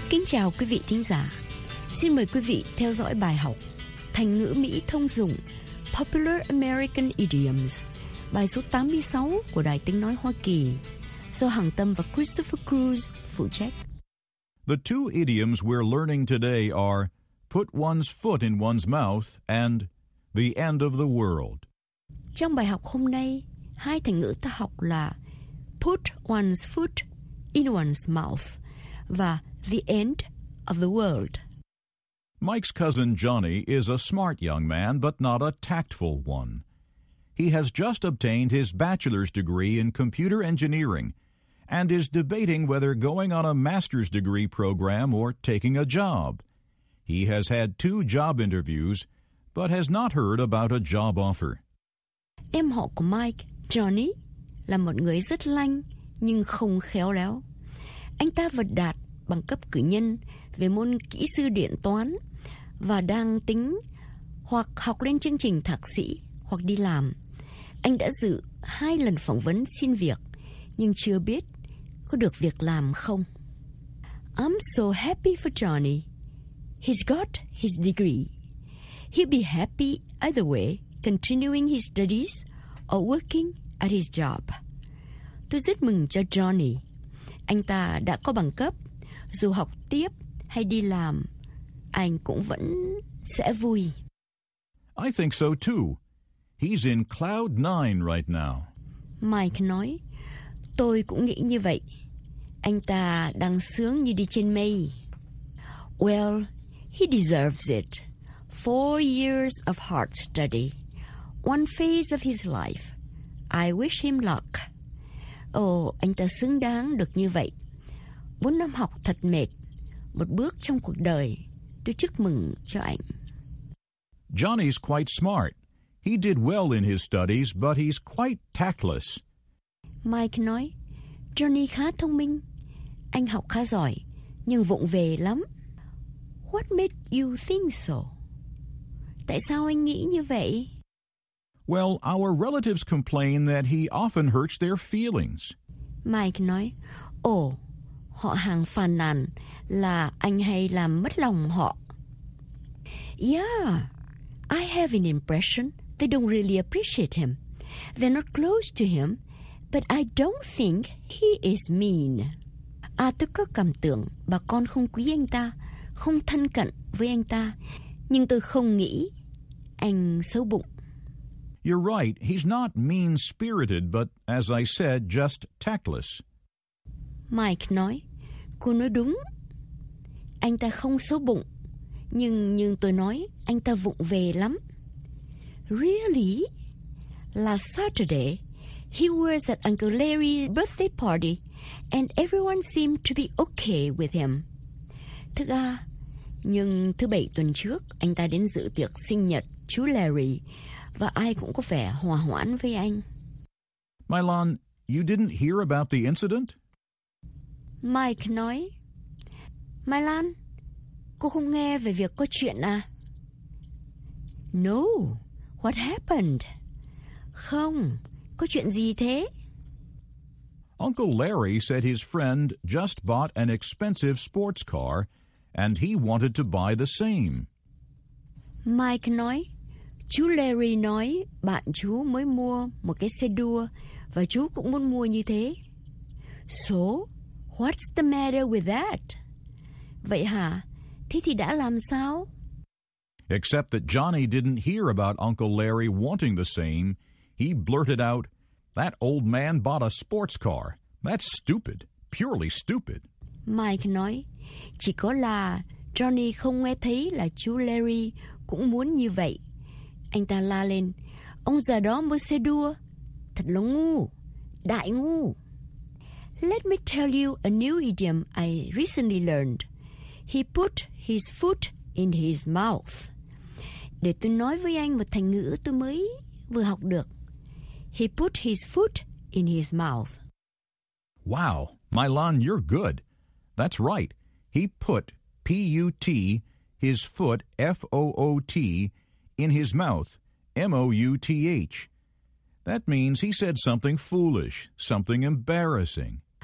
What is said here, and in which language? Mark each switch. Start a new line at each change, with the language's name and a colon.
Vietnamese: Chào quý vị thính giả. Xin mời quý vị theo dõi bài học Thành ngữ Mỹ thông dụng Popular American Idioms, bài số 86 của Đài Tiếng Nói Hoa Kỳ, do Hằng Tâm và Christopher Cruz phụ trách.
English: The two idioms we're learning today are put one's foot in one's mouth and the end of the world.
Vietnamese: Trong bài học hôm nay, hai thành ngữ ta học là
English: put one's foot in one's mouth
Vietnamese: và
English: the end of the world. Mike's cousin Johnny is a smart young man, but not a tactful one. He has just obtained his bachelor's degree in computer engineering and is debating whether going on a master's degree program or taking a job. He has had two job interviews, but has not heard about a job offer.
Vietnamese: Em họ của Mike, Johnny, là một người rất lanh nhưng không khéo léo. Anh ta vừa đạt bằng cấp cử nhân về môn kỹ sư điện toán và đang tính hoặc học lên chương trình thạc sĩ hoặc đi làm. Anh đã dự hai lần phỏng vấn xin việc nhưng chưa biết có được việc làm không.
English: I'm so happy for Johnny. He's got his degree. He'll be happy either way, continuing his studies or working at his job.
Vietnamese: Tôi rất mừng cho Johnny. Anh ta đã có bằng cấp. Dù học tiếp hay đi làm, anh cũng vẫn sẽ vui.
English: I think so too. He's in cloud nine right now.
Vietnamese: Mike nói, tôi cũng nghĩ như vậy. Anh ta đang sướng như đi trên mây.
English: Well, he deserves it. 4 years of hard study. One phase of his life. I wish him luck.
Vietnamese: Oh, anh ta xứng đáng được như vậy. 4 năm học thật mệt, một bước trong cuộc đời. Tôi chúc mừng cho anh.
English: Johnny's quite smart. He did well in his studies, but he's quite tactless.
Vietnamese: Mike nói, Johnny khá thông minh. Anh học khá giỏi, nhưng vụng về lắm.
English: What made you think so?
Vietnamese: Tại sao anh nghĩ như vậy?
English: Well, our relatives complain that he often hurts their feelings.
Vietnamese: Mike nói, họ hàng phàn nàn là anh hay làm mất lòng họ.
English: Yeah, I have an impression they don't really appreciate him. They're not close to him, but I don't think he is mean.
Vietnamese: À, tôi có cảm tưởng bà con không quý anh ta, không thân cận với anh ta, nhưng tôi không nghĩ anh xấu bụng.
English: You're right, he's not mean-spirited, but as I said, just tactless.
Vietnamese: Mike nói, cô nói đúng. Anh ta không xấu bụng, nhưng tôi nói, anh ta vụng về lắm.
English: Really? Last Saturday, he was at Uncle Larry's birthday party, and everyone seemed to be okay with him.
Vietnamese: Thực ra, nhưng thứ bảy tuần trước, anh ta đến dự tiệc sinh nhật chú Larry, và ai cũng có vẻ hòa hoãn với anh.
English: Milan, you didn't hear about the incident?
Vietnamese: Mike nói, Milan, cô không nghe về việc có chuyện à?
English: No, what happened?
Vietnamese: Không, có chuyện gì thế?
English: Uncle Larry said his friend just bought an expensive sports car and he wanted to buy the same.
Vietnamese: Mike nói, chú Larry nói bạn chú mới mua một cái xe đua và chú cũng muốn mua như thế.
English: So, what's the matter with that?
Vietnamese: Vậy hả? Thế thì đã làm sao?
English: Except that Johnny didn't hear about Uncle Larry wanting the same. He blurted out, that old man bought a sports car. That's stupid. Purely stupid.
Vietnamese: Mike nói, chỉ có là Johnny không nghe thấy là chú Larry cũng muốn như vậy. Anh ta la lên, ông già đó mua xe đua. Thật là ngu, đại ngu.
English: Let me tell you a new idiom I recently learned. He put his foot in his mouth.
Vietnamese: Để tôi nói với anh một thành ngữ tôi mới vừa học được.
English: He put his foot in his mouth. Wow, Milan, you're good. That's right. He put, P-U-T, his foot, F-O-O-T, in his mouth, M-O-U-T-H. That means he said something foolish, something embarrassing.